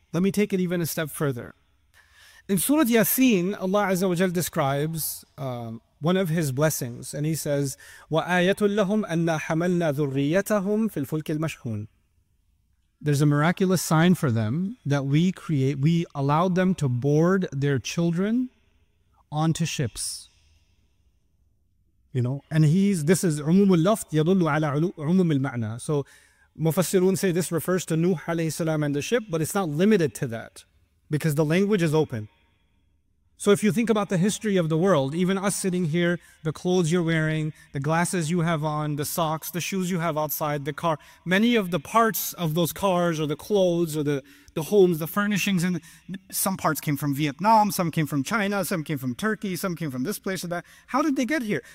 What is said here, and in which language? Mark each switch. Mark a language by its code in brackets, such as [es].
[en] Let me take it even a step further. In Surah Yasin, Allah Azza wa Jal describes one of His blessings, and He says, [ar] وَآيَةٌ لَّهُمْ أَنَّا حَمَلْنَا ذُرِّيَّتَهُمْ فِي الْفُلْكِ الْمَشْحُونِ. [en] There's a miraculous sign for them that we allowed them to board their children onto ships. And this is [ar] عموم اللفظ يدل على عموم المعنى. [en] So Mufassirun say this refers to Nuh alayhi salam and the ship, but it's not limited to that, because the language is open. So if you think about the history of the world, even us sitting here, the clothes you're wearing, the glasses you have on, the socks, the shoes you have outside, the car, many of the parts of those cars or the clothes or the homes, the furnishings, and some parts came from Vietnam, some came from China, some came from Turkey, some came from this place or that. How did they get here?